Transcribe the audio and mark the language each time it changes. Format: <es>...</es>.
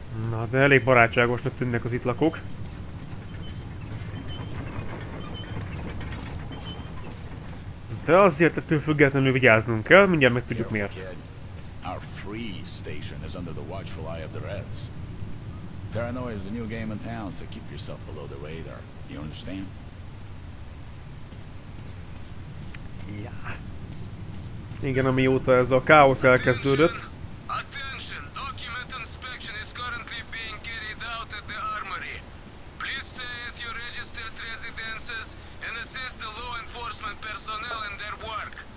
<hu>Na, de elég barátságosnak tűnnek az itt lakók. De azért ettől függetlenül vigyáznunk kell, mindjárt meg tudjuk miért.</hu> <en>Our free station is under the watchful eye of the Reds. Paranoia is the new game in town, so keep yourself below the radar. You understand? Yeah.</en> <hu>Igen, amióta ez a káosz elkezdődött.</hu> <en>Attention! Document inspection is currently being carried out at the armory. Please stay at your registered residences and assist the law enforcement personnel in their work.</en>